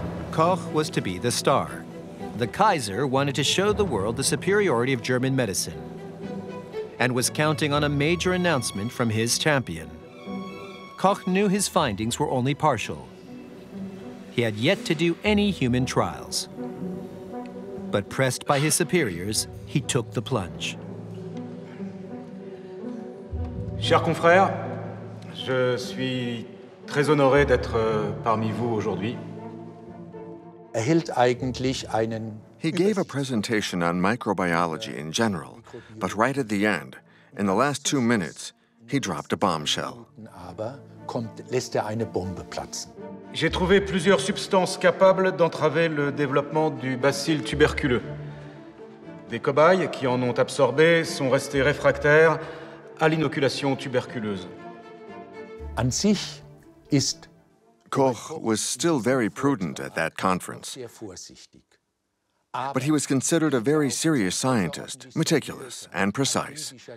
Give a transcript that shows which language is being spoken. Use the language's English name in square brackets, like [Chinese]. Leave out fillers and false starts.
[English] Koch was to be the star. The Kaiser wanted to show the world the superiority of German medicine and was counting on a major announcement from his champion. Koch knew his findings were only partial. He had yet to do any human trials. but pressed by his superiors, he took the plunge. [French] Chers confrères, je suis très honoré d'être parmi vous aujourd'hui. [English] He gave a presentation on microbiology in general, but right at the end, in the last 2 minutes, he dropped a bombshell. [German] Lässt er eine Bombe platzen. [French] J'ai trouvé plusieurs substances capables d'entraver le développement du bacille tuberculeux. Des cobayes qui en ont absorbé sont restés réfractaires à l'inoculation tuberculeuse. [German] An sich ist [English] Koch was still very prudent at that conference. But he was considered a very serious scientist, meticulous and precise.